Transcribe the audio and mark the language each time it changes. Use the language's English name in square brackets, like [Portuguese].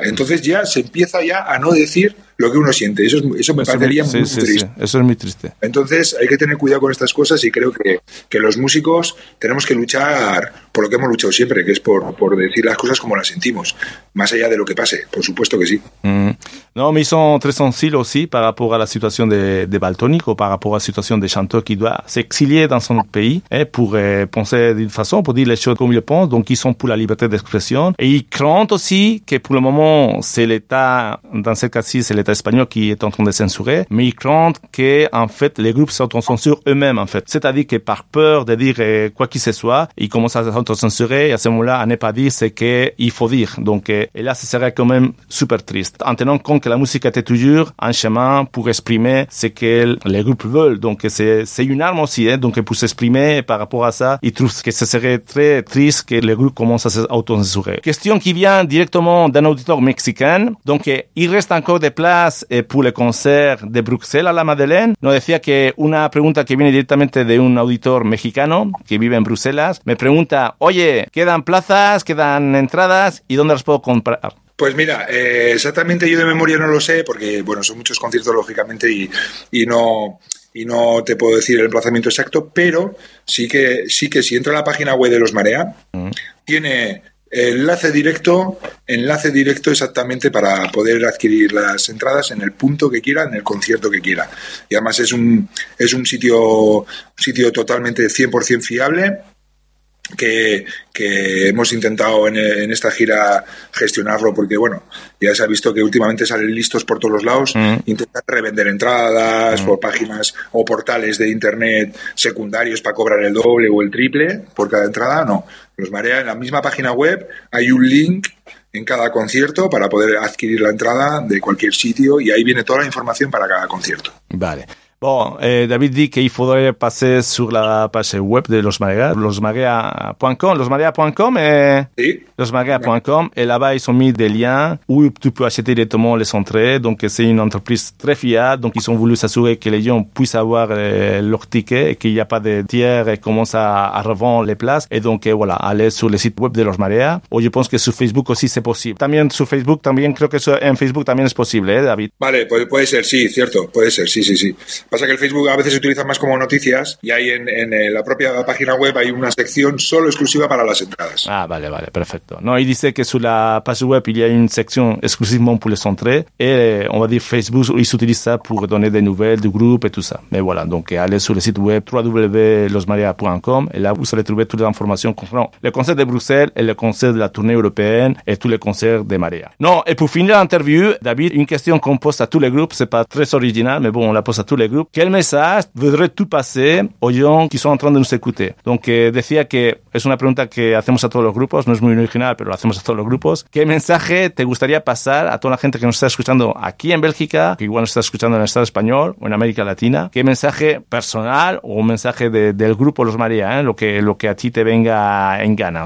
[Spanish] Entonces ya se empieza ya a no decir lo que uno siente. Eso me parecería muy triste. Sí, eso es muy triste. Entonces hay que tener cuidado con estas cosas y creo que los músicos tenemos que luchar por lo que hemos luchado siempre, que es por decir las cosas como las sentimos, más allá de lo que pase, por supuesto que sí. No, me son tres sencillos, sí, para [French] rapport a la situación de Baltonic o para rapport a la situación de chanteur qui doit s'exilier dans son país, pour penser d'une façon, pour dire les choses comme ils pensent, donc ils sont pour la liberté d'expression. Et ils craignent aussi que pour le moment, c'est l'État, dans ce cas-ci, c'est l'État théâtre espagnol qui est en train de censurer, mais ils craignent que, en fait, les groupes s'autocensurent eux-mêmes, en fait. C'est-à-dire que par peur de dire quoi que ce soit, ils commencent à s'autocensurer et à ce moment-là, à ne pas dire ce qu'il faut dire. Donc, et là, ce serait quand même super triste. En tenant compte que la musique était toujours un chemin pour exprimer ce que les groupes veulent. Donc, c'est une arme aussi, hein. Donc, pour s'exprimer par rapport à ça, ils trouvent que ce serait très triste que les groupes commencent à s'autocensurer. Question qui vient directement d'un auditeur mexicain. Donc, il reste encore des places pour les concerts de Bruxelles à la Madeleine. [Spanish] Nous decía que una pregunta que viene directamente de un auditor mexicano que vive en Bruselas me pregunta, oye, ¿quedan plazas, quedan entradas y dónde las puedo comprar? Pues mira, exactamente yo de memoria no lo sé porque, bueno, son muchos conciertos, lógicamente, y no te puedo decir el emplazamiento exacto, pero sí que si entro a la página web de Los Marea, tiene enlace directo exactamente para poder adquirir las entradas en el punto que quiera, en el concierto que quiera. Y además es un sitio totalmente 100% fiable que hemos intentado en esta gira gestionarlo porque, bueno, ya se ha visto que últimamente salen listos por todos los lados, intentar revender entradas por páginas o portales de internet secundarios para cobrar el doble o el triple por cada entrada, no. Los Marea, en la misma página web hay un link en cada concierto para poder adquirir la entrada de cualquier sitio y ahí viene toda la información para cada concierto. Vale. [French] Bon, David dit qu'il faudrait passer sur la page web de Los Marea, losmarea.com, et là-bas, ils ont mis des liens où tu peux acheter directement les entrées. Donc, c'est une entreprise très fiable. Donc, ils ont voulu s'assurer que les gens puissent avoir leur ticket et qu'il n'y a pas de tiers et commencent à revendre les places. Et donc, voilà, aller sur le site web de Los Marea. Ou je pense que sur Facebook aussi, c'est possible. [Spanish] También [French] sur Facebook, [Spanish] también, creo que en Facebook también es posible, David. Vale, puede ser, sí, cierto. Puede ser, sí. Pasa que el Facebook a veces se utiliza más como noticias y ahí en la propia página web hay una sección solo exclusiva para las entradas. Ah, vale, perfecto. No, y dice que [French] sur la page web il y a une section exclusivement pour les entrées et on va dire Facebook, il s'utilise ça pour donner des nouvelles du groupe et tout ça. Mais voilà, donc allez sur le site web www.losmarea.com et là vous allez trouver toutes les informations concernant le concert de Bruxelles et le concert de la tournée européenne et tous les concerts de Marea. Non, et pour finir l'interview, David, une question qu'on pose à tous les groupes, c'est pas très original, mais bon, on la pose à tous les groupe, quel message voudrais-tu passer aux gens qui sont en train de nous écouter? [Spanish] Donc, decía que es una pregunta que hacemos a todos los grupos, no es muy original, pero lo hacemos a todos los grupos. ¿Qué mensaje te gustaría pasar a toda la gente que nos está escuchando aquí en Bélgica, que igual nos está escuchando en el Estado español o en América Latina? ¿Qué mensaje personal o un mensaje del grupo Los Marea, lo que a ti te venga en gana?